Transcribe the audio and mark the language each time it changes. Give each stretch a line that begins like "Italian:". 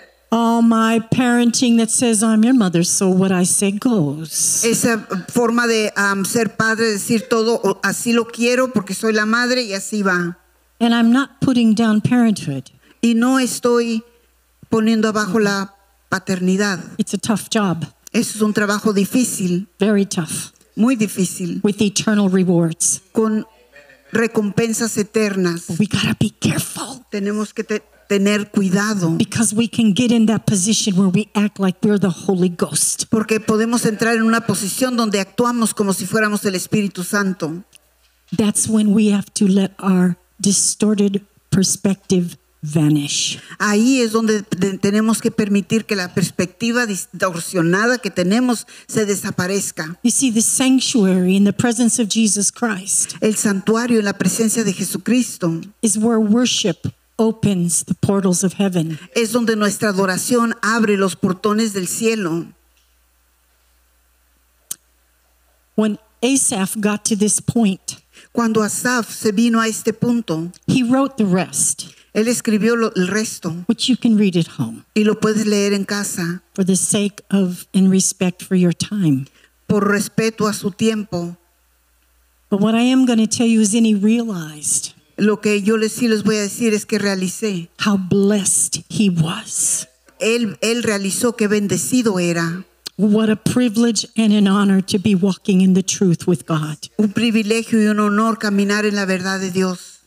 English: All my parenting that says I'm your mother, so what I say goes.
Spanish: Esa forma de ser padre, decir todo así lo quiero porque soy la madre y así va.
English: And I'm not putting down parenthood.
Spanish: Y no estoy poniendo abajo la paternidad.
English: It's a tough job.
Spanish: Eso es un trabajo difícil.
English: Very tough.
Spanish: Muy difícil.
English: With eternal rewards.
Spanish: Con recompensas eternas.
English: But we gotta be careful.
Spanish: Tenemos que tener cuidado.
English: Because we can get in that position where we act like we're the Holy Ghost.
Spanish: Porque podemos entrar en una posición donde actuamos como si fuéramos el Espíritu Santo.
English: That's when we have to let our distorted perspective vanish.
Spanish: Ahí es donde tenemos que permitir que la perspectiva distorsionada que tenemos se desaparezca.
English: You see, the sanctuary in the presence of Jesus Christ.
Spanish: El santuario en la presencia de Jesucristo.
English: Is where worship opens the portals of heaven.
Spanish: Es donde nuestra adoración abre los portones del cielo.
English: When Asaph got to this point,
Spanish: cuando Asaph se vino a este punto,
English: he wrote the rest.
Spanish: Él escribió el resto,
English: which you can read at home.
Spanish: Y lo puedes leer en casa.
English: For the sake of and respect for your time.
Spanish: Por respeto a su tiempo.
English: But what I am going to tell you is, then he realized.
Spanish: Lo que yo les sí les voy a decir es que realicé.
English: How blessed he was.
Spanish: Él realizó que bendecido era.
English: What a privilege and an honor to be walking in the truth with God.
Spanish: Un privilegio y un honor caminar en la verdad de Dios.